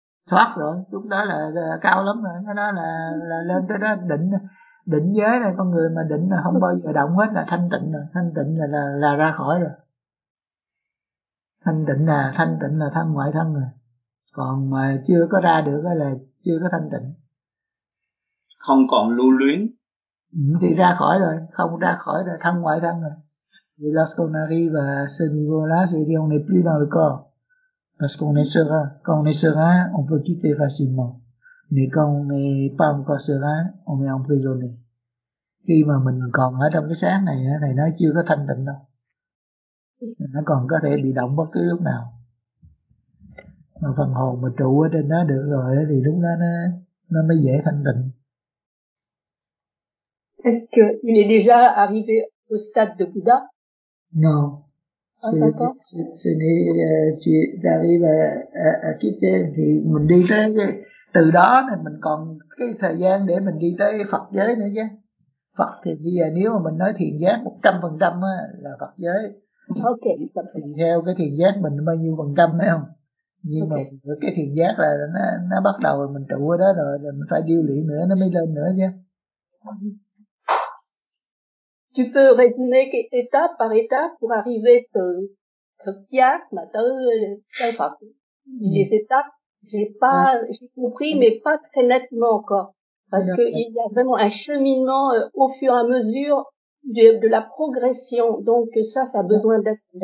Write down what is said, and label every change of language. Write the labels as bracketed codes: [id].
[vi] Thoát rồi, lúc đó là cao lắm rồi, cái đó là lên tới đó định, định giới này, con người mà định là không bao giờ động hết là thanh tịnh rồi, thanh tịnh là ra khỏi rồi. Thanh tịnh là thân ngoại thân rồi. Còn mà chưa có ra được là chưa có thanh tịnh. Không còn lưu luyến. Thì ra khỏi rồi, không ra khỏi là thân ngoại thân rồi. Thì [fr] lorsqu'on arrive à ce niveau-là, ça veut dire on n'est plus dans le corps. Parce qu'on est serein. Quand on est serein, on peut quitter facilement. Mais quand on n'est pas encore serein, on est emprisonné. [vi] Khi mà mình còn ở trong cái xác này, thì nó chưa có thanh tịnh đâu. Nó còn có thể bị động bất cứ lúc nào. Mà phần hồn mà trụ ở trên đó được rồi thì lúc đó nó mới dễ thanh tịnh. [fr] Est-ce qu'il est déjà arrivé au stade de Bouddha? Non. [vi] Thì mình đi tới cái, từ đó thì mình còn cái thời gian để mình đi tới Phật giới nữa chứ. Phật thì bây giờ nếu mà mình nói thiền giác 100% là Phật giới. [en] Okay. [vi] Thì theo cái thiền giác mình bao nhiêu phần trăm phải không? Nhưng okay. Mà cái thiền giác là nó bắt đầu mình trụ ở đó rồi, mình phải điêu luyện nữa nó mới lên nữa chứ. [fr] Tu peux résumer [vi] cái [fr] étape par étape pour arriver [vi] từ thực giác mà tới Phật. [fr] Les étapes, j'ai compris mais pas très nettement encore parce que il y a vraiment un cheminement au fur et à mesure de la progression, donc ça a besoin d'être.